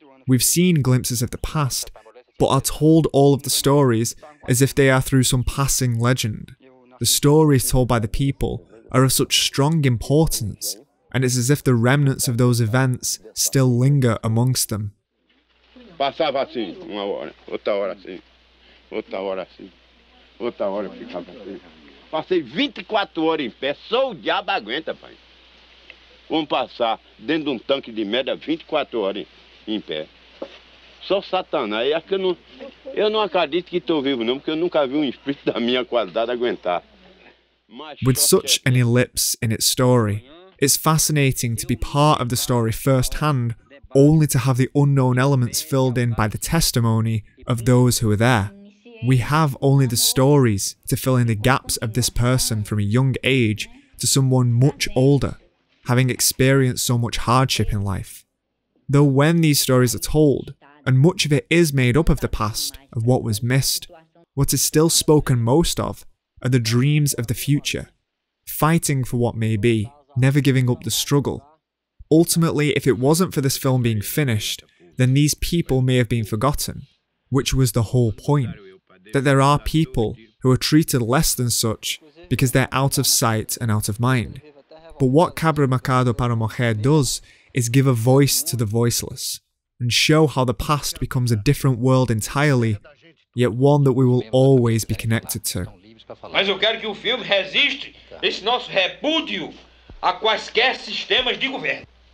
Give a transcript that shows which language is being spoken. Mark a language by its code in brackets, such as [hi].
[en] We've seen glimpses of the past, but are told all of the stories as if they are through some passing legend. The stories told by the people are of such strong importance, and it's as if the remnants of those events still linger amongst them. [pt] Passava assim, uma hora, outra hora assim, outra hora assim, outra hora ficava assim. Passei 24 horas em pé, só o diabo aguenta, pai. Vamos passar dentro de tanque de merda 24 horas em pé. Só Satanás. É que eu não acredito que estou vivo, não, porque eu nunca vi espírito da minha qualidade aguentar. [en] With such an ellipse in its story, it's fascinating to be part of the story firsthand, only to have the unknown elements filled in by the testimony of those who were there. We have only the stories to fill in the gaps of this person from a young age to someone much older, having experienced so much hardship in life. Though when these stories are told, and much of it is made up of the past, of what was missed, what is still spoken most of are the dreams of the future, fighting for what may be, never giving up the struggle. Ultimately, if it wasn't for this film being finished, then these people may have been forgotten, which was the whole point, that there are people who are treated less than such because they're out of sight and out of mind. But what Cabra Macado para Mujer does is give a voice to the voiceless, and show how the past becomes a different world entirely, yet one that we will always be connected to. [pt] Mas eu quero que o filme resiste esse nosso repúdio a quaisquer sistemas de governo.